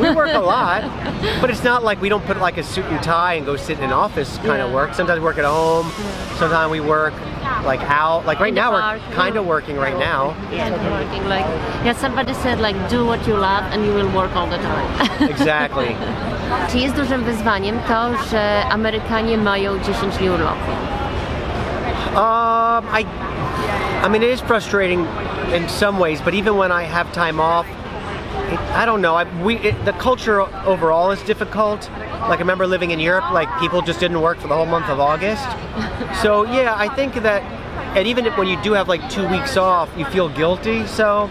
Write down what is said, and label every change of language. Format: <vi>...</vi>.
<en>We work a lot, but it's not like we don't put like a suit and tie and go sit in an office kind of work. Sometimes we work at home. Yeah. Sometimes we work like out. Like right in now, park, we're kind of working right now. Yeah, working like yeah. Somebody said like do what you love and you will work all the time. Exactly.</en> <pl>Czy jest dużym wyzwaniem to, że Amerykanie mają 10 dni urlopu?</pl> <en>I mean, it is frustrating in some ways, but even when I have time off, the culture overall is difficult. Like, I remember living in Europe, like, people just didn't work for the whole month of August. So, yeah, I think that, and even when you do have, like, 2 weeks off, you feel guilty, so.</en>